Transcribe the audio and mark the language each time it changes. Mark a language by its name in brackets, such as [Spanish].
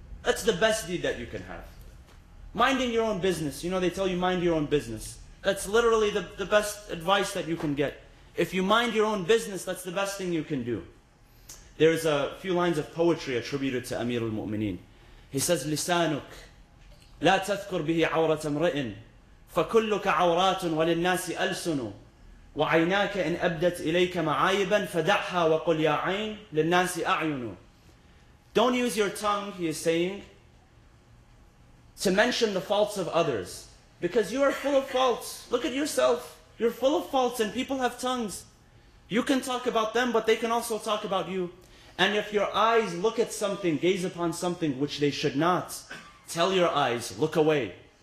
[English] That's the best deed that you can have. Minding your own business. You know, they tell you mind your own business. That's literally the best advice that you can get. If you mind your own business, that's the best thing you can do. There's a few lines of poetry attributed to Amir al-Mu'mineen. He says, [Arabic] لسانك لا تذكر به عورة امرئ فكلك عورات وللناس ألسن وعيناك إن أبدت إليك معايبا فدعها وقل يا عين للناس أعين. [English] Don't use your tongue, he is saying, to mention the faults of others. Because you are full of faults. Look at yourself. You're full of faults and people have tongues. You can talk about them, but they can also talk about you. And if your eyes look at something, gaze upon something which they should not, tell your eyes, look away.